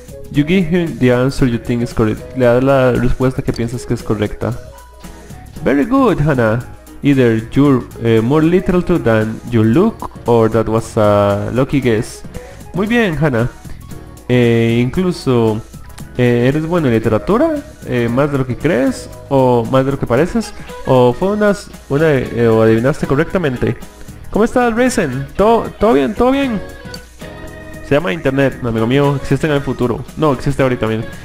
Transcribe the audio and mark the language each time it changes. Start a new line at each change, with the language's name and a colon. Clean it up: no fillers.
English: You give him the answer you think is correct.
Spanish: Le da la respuesta que piensas que es correcta.
English: Very good, Hannah. Either you're more literal to than you look, or that was a lucky guess.
Spanish: Muy bien, Hannah. Incluso eres bueno en literatura, más de lo que crees o más de lo que pareces. O fue o adivinaste correctamente. ¿Cómo estás, Resen? Todo bien, todo bien. Se llama Internet, amigo mío. Existe en el futuro. No, existe ahorita mismo.